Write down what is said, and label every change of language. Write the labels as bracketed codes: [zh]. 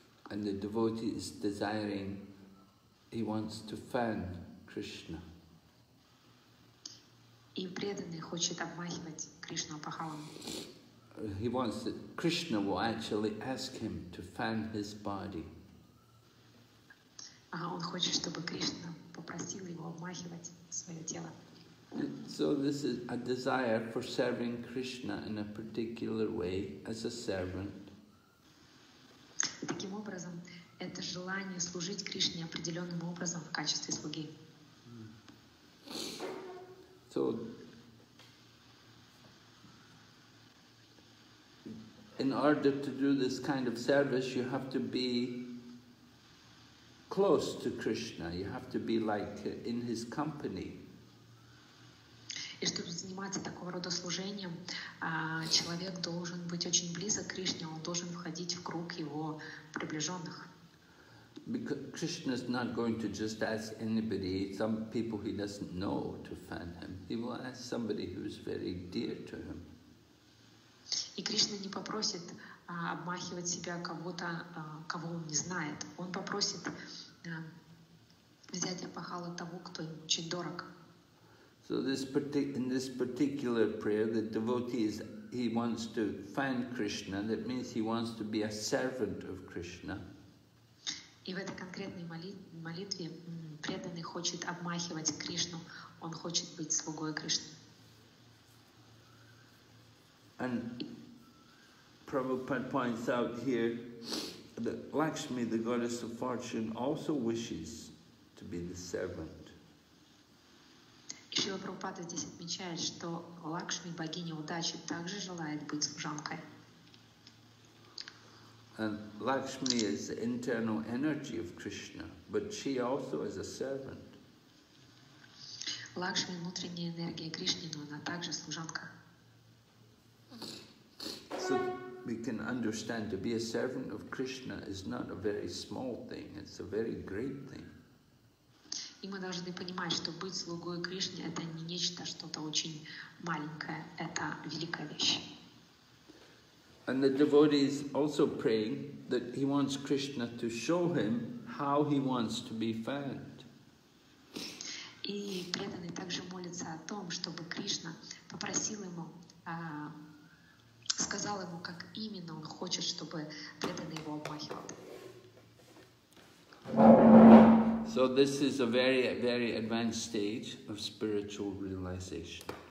[en] And the devotee is desiring, he wants to fan Krishna. [ru] И преданный хочет обмахивать Кришну опахалом. [en] He wants that Krishna will actually ask him to fan his body. [ru] Он хочет, чтобы Кришна попросил его обмахивать свое тело. [en] So this is a desire for serving Krishna in a particular way as a servant. [ru] Таким образом, это желание служить Кришне определенным образом в качестве слуги. [en] So in order to do this kind of service, you have to be close to Krishna. You have to be like in his company. [ru] И чтобы заниматься такого рода служением, человек должен быть очень близок к Кришне, он должен входить в круг его приближенных. [en] Because Krishna is not going to just ask anybody, some people he doesn't know, to fan him. He will ask somebody who is very dear to him. [ru] И Кришна не попросит обмахивать себя кого-то, кого он не знает. Он попросит взять опахалу того, кто ему очень дорог. [en] So this in this particular prayer, the devotee is, he wants to find Krishna. That means he wants to be a servant of Krishna. [ru] И в этой конкретной молитве преданный хочет обмахивать Кришну. Он хочет быть слугой Кришны. [en] And Prabhupada points out here that Lakshmi, the goddess of fortune, also wishes to be the servant. [ru] Шрила Прабхупада здесь отмечает, что Лакшми, богиня удачи, также желает быть служанкой. [en] And Lakshmi is the internal energy of Krishna, but she also is a servant. [ru] Лакшми – внутренняя энергия Кришны, но она также служанка. [en] So we can understand to be a servant of Krishna is not a very small thing, it's a very great thing. [ru] И мы должны понимать, что быть слугой Кришне – это не нечто, что-то очень маленькое, это великая вещь. [en] And the devotee is also praying that he wants Krishna to show him how he wants to be fanned. [ru] И преданный также молится о том, чтобы Кришна попросил ему, сказал ему, как именно он хочет, чтобы преданный его обмахивал. [en] So this is a very, very advanced stage of spiritual realization.